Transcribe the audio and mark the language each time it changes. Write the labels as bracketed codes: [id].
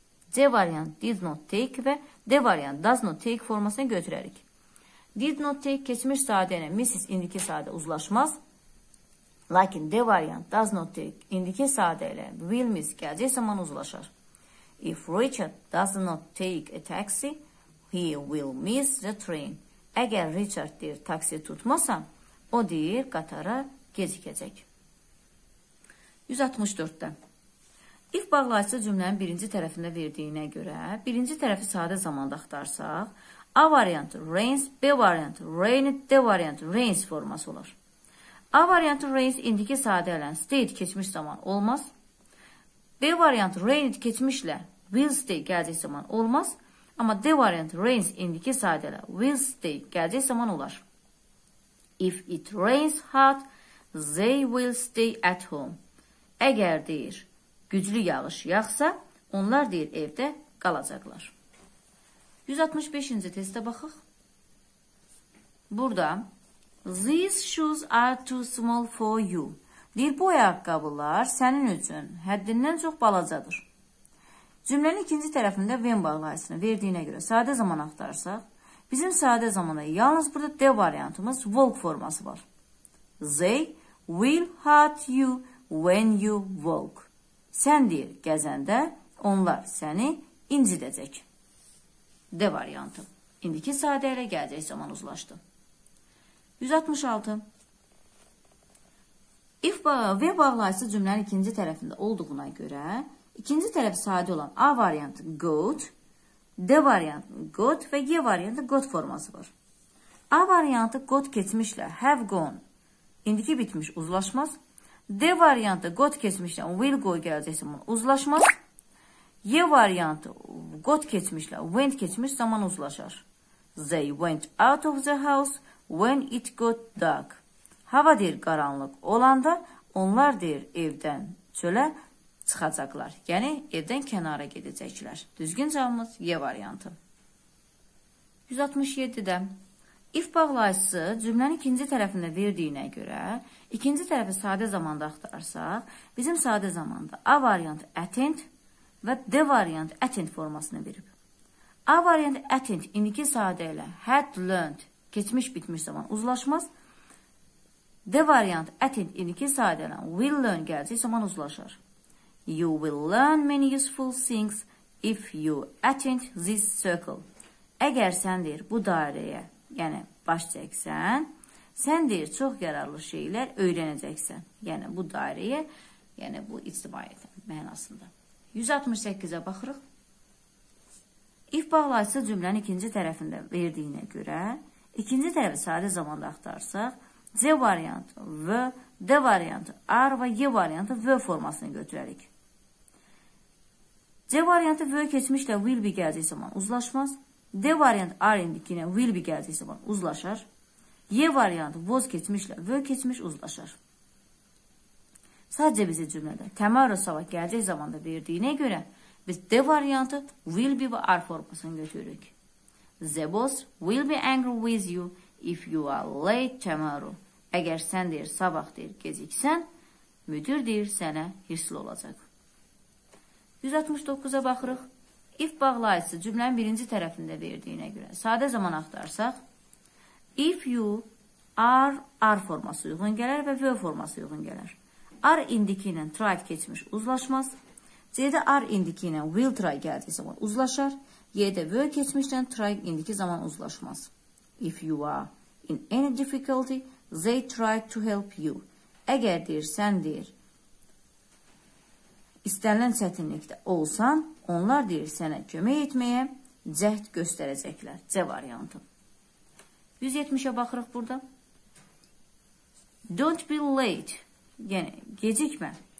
[en] C variant did not take və D variant does not take [az] formasını götürərik. Did not take keçmiş sadə ilə Mrs. indiki sadə uzlaşmaz. Lakin D variant does not take indiki sadə ilə will Miss gəlcək zaman uzlaşar. [en] If Richard does not take a taxi, he will miss the train. [az] Əgər Richard deyir taksi tutmasa, o deyir qatara gecikəcək. 164-də if bağlayıcı cümlənin birinci tərəfində verdiyinə görə, birinci tərəfi sadə zamanda axtarsaq, A variantı rains, B variantı rained, D variantı rains forması olar. A variantı rains indiki sadə ilə stayed keçmiş zaman olmaz. B variantı rained keçmişlə will stay gəlcək zaman olmaz. Amma D variantı rains indiki sadə ilə will stay gəlcək zaman olar. [en] If it rains hard, they will stay at home. [az] Əgər deyir, güclü yağış yağsa, onlar deyir evdə qalacaqlar. 165-ci testə baxıq. [en] Burada these shoes are too small for you. [az] Deyir, bu ayaqqabılar sənin üçün həddindən çox balacadır. Cümlənin ikinci tərəfində when bağlayıcısını verdiyinə görə sadə zaman axtarsaq, bizim sadə zamanda yalnız burada D variantımız walk forması var. [en] They will hurt you when you walk. [az] Sən deyir, gəzəndə onlar səni incidəcək. D variantı. İndiki sadə ilə gələcək zaman uzlaşdı. 166. If ve bağlayıcı cümlənin ikinci tərəfində olduğuna görə, ikinci tərəf sadə olan A variantı got, D variantı got və Y variantı got forması var. A variantı got keçmişlə have gone, indiki bitmiş uzlaşmaz. D variantı got keçmişlə will go gələcək zaman uzlaşmaz. Y variantı got keçmişlə went keçmiş zaman uzlaşar. [en] They went out of the house when it got dark. [az] Hava deyir qaranlıq olanda onlar deyir evdən çölə çıxacaqlar. Yəni evdən kənara gedəcəklər. Düzgün cavabımız Y variantı. 167-də if bağlayıcısı cümlənin ikinci tərəfində verdiyinə görə ikinci tərəfi sadə zamanda axtarsaq, bizim sadə zamanda A variantı attend və D variant attend formasını verib. A variant attend indiki sadə ilə had learned keçmiş bitmiş zaman uzlaşmaz. D variant attend indiki sadə ilə will learn gəlcək zaman uzlaşar. [en] You will learn many useful things if you attend this circle. [az] Əgər sən deyir bu dairəyə, yəni baş çəksən, sən deyir çox yararlı şeylər öyrənəcəksən. Yəni bu dairəyə, yəni bu ictimaiyyət mənasında. 168-ə baxırıq. If bağlayıcı cümlənin ikinci tərəfində verdiyinə görə, ikinci tərəfi sadə zamanda axtarsaq, C variantı V, D variantı R və Y variantı V formasını götürərik. C variantı V keçmişlə will be gəlcək zaman uzlaşmaz. D variantı R indikinə will be gəlcək zaman uzlaşar. Y variantı was keçmişlə V keçmiş uzlaşar. Sadəcə bizə cümlədə Tamara sabah gələcək zamanda verdiyinə görə biz D variantı will be və are formasını götürürük. [en] The boss will be angry with you if you are late tomorrow. [az] Əgər sən deyir sabah deyir geciksən, müdür deyir sənə hirsli olacaq. 169-a baxırıq. If bağlayıcısı cümlənin birinci tərəfində verdiyinə görə sadə zaman axtarsaq, if you are forması uyğun gələr və will forması uyğun gələr. Are indiki ilə tried keçmiş uzlaşmaz. C-də are indiki ilə will try gəldiyi zaman uzlaşar. Y-də will keçmişlə try indiki zaman uzlaşmaz. [en] If you are in any difficulty, they try to help you. [az] Əgər deyir, sən deyir, istənilən çətinlikdə olsan, onlar deyir, sənə kömək etməyə cəhd göstərəcəklər. C variantı. 170-ə baxırıq burada. [en] Don't be late. [az] Yəni, gecikmə.